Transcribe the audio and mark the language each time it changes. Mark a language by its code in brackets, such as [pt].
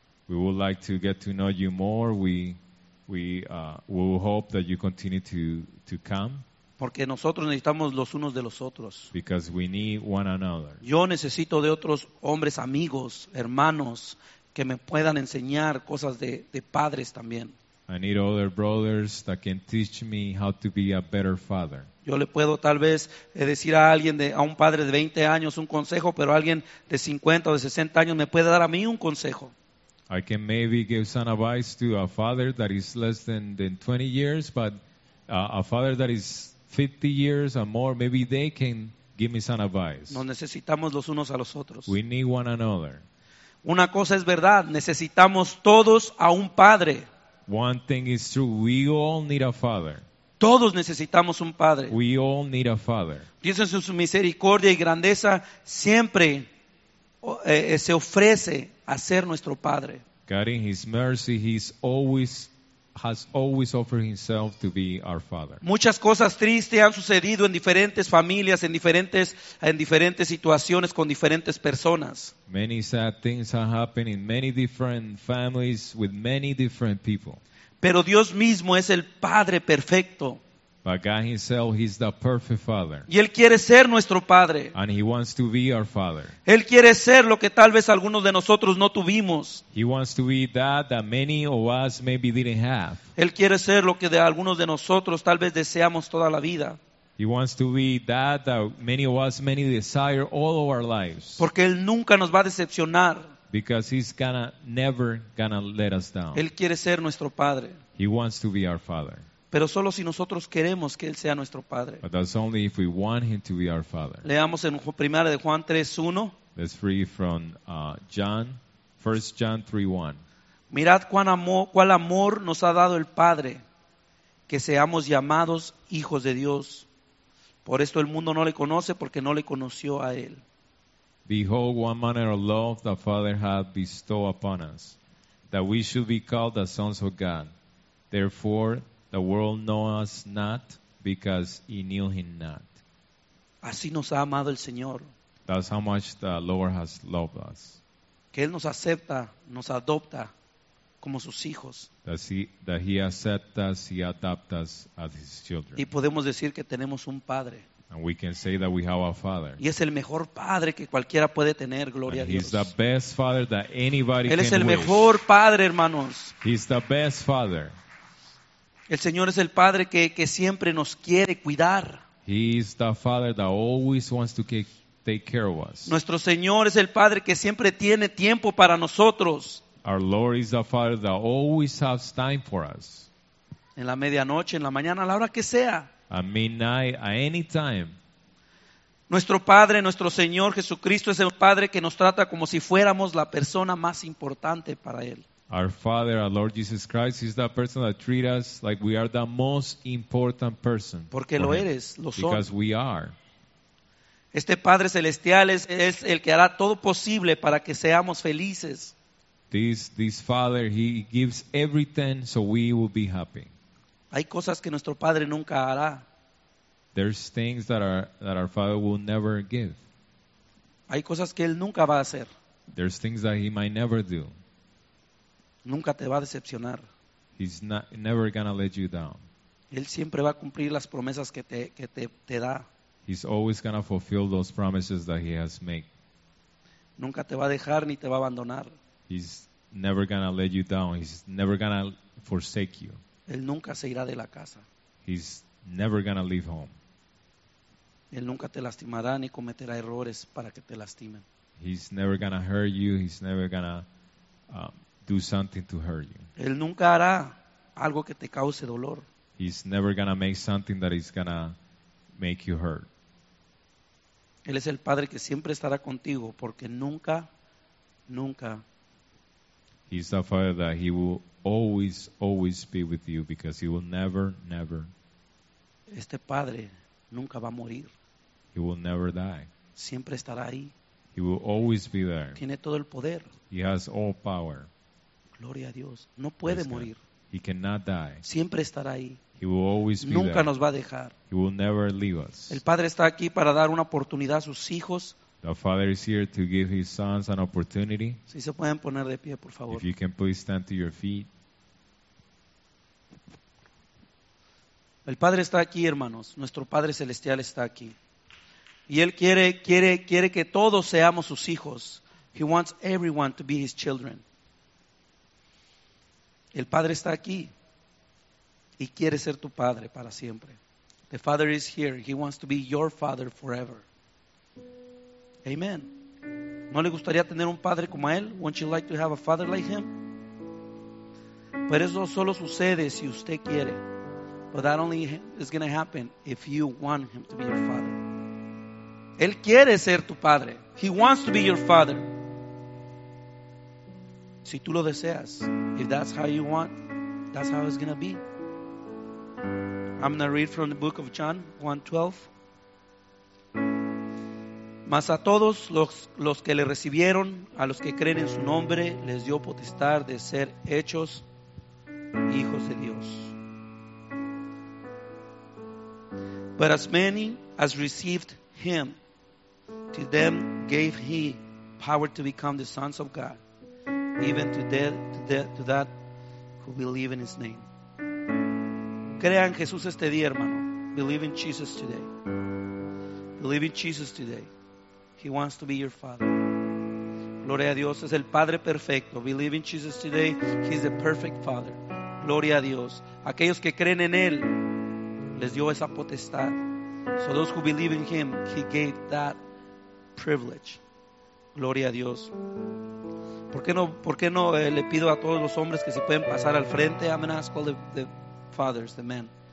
[en] We would like to get to know you more. We will hope that you continue to come. [es] Porque nosotros necesitamos los unos de los otros. [en] Because we need one another. [es] Yo necesito de otros hombres, amigos, hermanos que me puedan enseñar cosas de padres también. [en] I need other brothers that can teach me how to be a better father. [es] Yo le puedo tal vez decir a alguien a un padre de 20 años un consejo, pero alguien de 50 o de 60 años me puede dar a mí un consejo. [en] I can maybe give some advice to a father that is less than 20 years, but a father that is 50 years or more, maybe they can give me some advice. [es] Nos necesitamos los unos a los otros. [en] We need one another. [es] Una cosa es verdad, necesitamos todos a un padre. [en] One thing is true, we all need a father. [es] Todos necesitamos un padre. [en] We all need a father. [es] Dios en su misericordia y grandeza siempre se ofrece a ser nuestro padre. [en] God in his mercy has always offered himself to be our father. [es] Muchas cosas tristes han sucedido en diferentes familias, en diferentes situaciones con diferentes personas. [en] Many sad things have happened in many different families with many different people. [es] Pero Dios mismo es el padre perfecto. [en] But God himself, he's the perfect father. [es] Y él quiere ser nuestro padre. [en] And he wants to be our father. [es] Él quiere ser lo que tal vez algunos de nosotros no tuvimos. [en] He wants to be that many of us maybe didn't have. [es] Él quiere ser lo que de algunos de nosotros tal vez deseamos toda la vida. [en] He wants to be that many of us many desire all of our lives. [es] Porque él nunca nos va a decepcionar. [en] Because he's never gonna let us down. [es] Él quiere ser nuestro padre. [en] He wants to be our father. [es] Pero solo si nosotros queremos que Él sea nuestro Padre. [en] But that's only if we want Him to be our Father. [es] Leamos en 1 de Juan 3:1. [en] Let's read from 1 John 3:1. [es] Mirad cuál amor nos ha dado el Padre, que seamos llamados hijos de Dios. Por esto el mundo no le conoce, porque no le conoció a Él. [en] Behold, what manner of love the Father hath bestowed upon us, that we should be called the sons of God. Therefore, the world knows us not because he knew him not. [es] Así nos ha amado el Señor. [en] That's how much the Lord has loved us. [es] Que él nos acepta, nos adopta como sus hijos. [en] That he accepts us, he adopts us as his children. [es] Y podemos decir que tenemos un padre. [en] And we can say that we have a father. [es] Y es el mejor padre que cualquiera puede tener, gloria [en] and [es] a Dios. [en] He's the best father that anybody [es] él [en] can [es] es el [en] wish. [es] Mejor padre, hermanos. [en] He's the best father. [es] El Señor es el Padre que siempre nos quiere cuidar. [en] He is the Father that always wants to take care of us. [es] Nuestro Señor es el Padre que siempre tiene tiempo para nosotros. [en] Our Lord is the Father that always has time for us. [es] En la medianoche, en la mañana, a la hora que sea. [en] At midnight, at any time. [es] Nuestro Padre, nuestro Señor Jesucristo es el Padre que nos trata como si fuéramos la persona más importante para Él. [en] Our Father, our Lord Jesus Christ, is that person that treats us like we are the most important person. [es] Porque lo eres, lo son. [en] Because we are. [es] Este Padre Celestial es el que hará todo posible para que seamos felices. [en] This Father, He gives everything so we will be happy. [es] Hay cosas que nuestro Padre nunca hará. [en] There's things that our Father will never give. [es] Hay cosas que Él nunca va a hacer. [en] There's things that He might never do. [es] Nunca te va a decepcionar. [en] He's never gonna let you down. [es] Él siempre va a cumplir las promesas que te da. [en] He's always gonna fulfill those promises that he has made. [es] Nunca te va a dejar ni te va a abandonar. [en] He's never gonna let you down. He's never gonna forsake you. [es] Él nunca se irá de la casa. [en] He's never gonna leave home. [es] Él nunca te lastimará ni cometerá errores para que te lastimen. [en] He's never gonna hurt you. He's never gonna do something to hurt you. [es] Él nunca hará algo que te cause dolor. [en] He's never gonna make something that is gonna make you hurt. [es] Él es el Padre que siempre estará contigo porque nunca, nunca. [en] He's the Father that he will always, always be with you because he will never, never. [es] Este Padre nunca va a morir. [en] He will never die. [es] Siempre estará ahí. [en] He will always be there. [es] Tiene todo el poder. [en] He has all power. [es] Gloria a Dios. No puede morir. [en] He cannot die. [es] Siempre estará ahí. [en] He will always be [es] nunca [en] there. [es] Nos va a dejar. [en] He will never leave us. [es] El Padre está aquí para dar una oportunidad a sus hijos. [en] The Father is here to give his sons an opportunity. [es] Si se pueden poner de pie, por favor. [en] If you can please stand to your feet. [es] El Padre está aquí, hermanos. Nuestro Padre Celestial está aquí. Y Él quiere que todos seamos sus hijos. [en] He wants everyone to be his children. [es] El Padre está aquí y quiere ser tu Padre para siempre. [en] The Father is here. He wants to be your Father forever. Amen. [es] ¿No le gustaría tener un Padre como Él? [en] Wouldn't you like to have a Father like Him? [es] Pero eso solo sucede si usted quiere. [en] But that only is going to happen if you want Him to be your Father. [es] Él quiere ser tu Padre. [en] He wants to be your Father. [es] Si tú lo deseas. [en] If that's how you want, that's how it's going to be. I'm going to read from the book of John 1:12. [es] Mas a todos los que le recibieron, a los que creen en su nombre, les dio potestad de ser hechos hijos de Dios. [en] But as many as received him, to them gave he power to become the sons of God. Even to that who believe in his name. [es] Crea en Jesús este día, hermano. [en] Believe in Jesus today. Believe in Jesus today. He wants to be your father. [es] Gloria a Dios, es el Padre perfecto. [en] Believe in Jesus today. He's the perfect father. [es] Gloria a Dios. Aquellos que creen en Él, les dio esa potestad. [en] So those who believe in Him, He gave that privilege. [es] Gloria a Dios. ¿Por qué no le pido a todos los hombres que se pueden pasar al frente? [en] I'm going to ask all the fathers, the men.